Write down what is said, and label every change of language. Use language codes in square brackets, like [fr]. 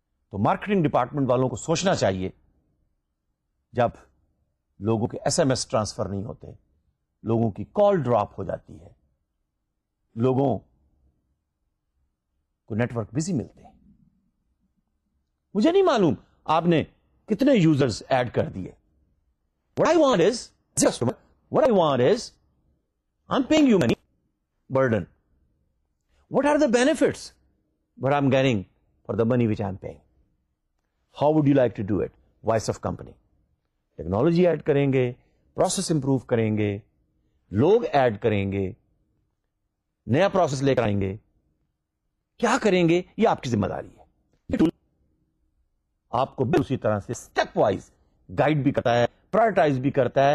[ur] تو marketing department والوں کو سوچنا چاہیے جب لوگوں کے ایس ایم ایس ٹرانسفر نہیں ہوتے, لوگوں کی کال ڈراپ ہو جاتی ہے, لوگوں کو نیٹورک بزی ملتے ہیں. مجھے نہیں معلوم آپ نے کتنے یوزرز ایڈ کر دیے. [en] What I want is customer, what I want is I'm paying you money burden. What are the benefits what I'm getting for the money which I'm paying? How would you like to do it? Voice of company. [ur] Technology add کریں گے, process improve کریں گے, لوگ add کریں گے, نیا process لے کر آئیں گے, کیا کریں گے, یہ آپ کی ذمہ داری ہے. آپ کو بھی اسی طرح سے اسٹیپ وائز گائیڈ بھی کرتا ہے, پرائرٹائز بھی کرتا ہے.